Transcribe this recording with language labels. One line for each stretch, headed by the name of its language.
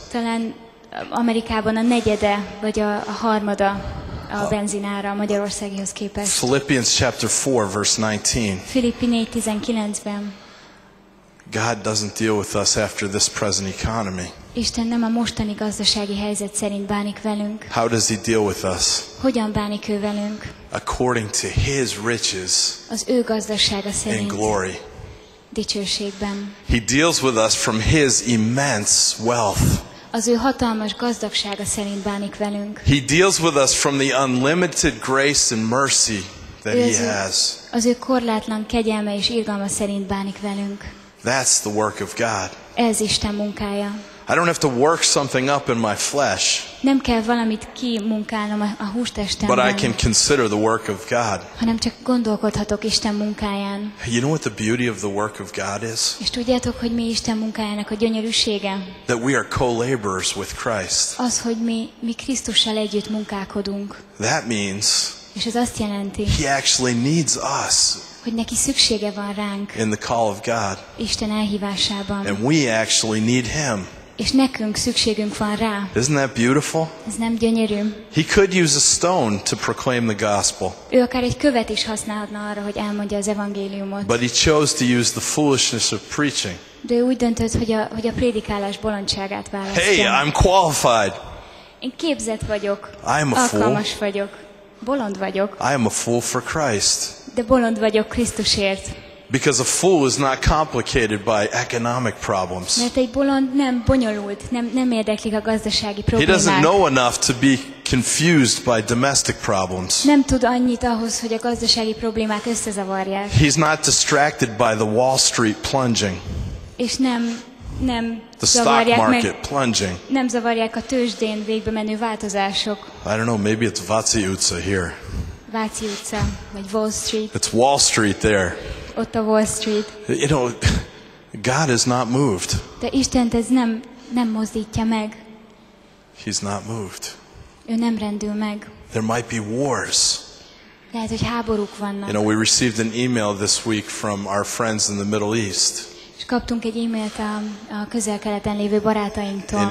Hungarian: Talán Amerikában a negyede vagy a harmada. A benzinára Magyarországhoz képest.
English: Philippians chapter 4 verse 19.
Hungarian: Filippi 4:19-ben.
English: God doesn't deal with us after this present economy.
Hungarian: Isten nem a mostani gazdasági helyzet szerint bánik velünk.
English: How does he deal with us?
Hungarian: Hogyan bánik ő velünk?
English: According to his riches.
Hungarian: Az ő gazdasága szerint.
English: In glory.
Hungarian: Dicsőségben.
English: He deals with us from his immense wealth.
Hungarian: Az ő hatalmas gazdagsága szerint bánik velünk.
English: He deals with us from the unlimited grace and mercy that he has.
Hungarian: Az ő korlátlan kegyelme és irgalma szerint bánik velünk.
English: That's the work of God.
Hungarian: Ez Isten munkája.
English: I don't have to work something up in my flesh.
Hungarian: Nem kell valamit kimunkálnom a hústestemben.
English: But I can consider the work of God.
Hungarian: Hanem csak gondolkodhatok Isten munkáján.
English: You know what the beauty of the work of God is?
Hungarian: És tudjátok, hogy mi Isten munkájának a gyönyörűsége?
English: That we are co-laborers with Christ.
Hungarian: Az, hogy mi Krisztussal együtt munkálkodunk.
English: That means.
Hungarian: És ez azt jelenti.
English: He actually needs us.
Hungarian: Hogy neki szüksége van ránk.
English: In the call of God.
Hungarian: Isten elhívásában.
English: And we actually need him.
Hungarian: És nekünk szükségünk van rá.
English: Isn't that beautiful?
Hungarian: Ez nem gyönyörű?
English: He could use a stone to proclaim the gospel.
Hungarian: Ő akár egy követ is használhatna arra, hogy elmondja az evangéliumot.
English: But he chose to use the foolishness of preaching.
Hungarian: De ő úgy döntött, hogy a prédikálás bolondságát választja.
English: Hey, I'm qualified.
Hungarian: Én képzett vagyok.
English: I'm a fool.
Hungarian: Alkalmas vagyok. Bolond vagyok.
English: I am a fool for Christ.
Hungarian: De bolond vagyok Krisztusért.
English: Because a fool is not complicated by economic problems.
Hungarian: Mert egy bolond nem bonyolult, nem érdeklik a gazdasági problémák.
English: He doesn't know enough to be confused by domestic problems.
Hungarian: Nem tud annyit ahhoz, hogy a gazdasági problémák összezavarják.
English: He's not distracted by the Wall Street plunging.
Hungarian: És nem
English: the stock market plunging.
Hungarian: Nem zavarják a tőzsdén végbe menő változások.
English: I don't know, maybe it's Váci utca here.
Hungarian: Váci utca, vagy Wall Street.
English: It's Wall Street there.
Hungarian: Ott a Wall Street.
English: You know, God is not moved.
Hungarian: De Isten ez nem mozdítja meg.
English: He's not moved.
Hungarian: Ő nem rendül meg.
English: There might be wars.
Hungarian: Lehet, hogy háborúk vannak.
English: You know, we received an email this week from our friends in the Middle East.
Hungarian: És kaptunk egy e-mailt a Közel-Keleten lévő barátainktól.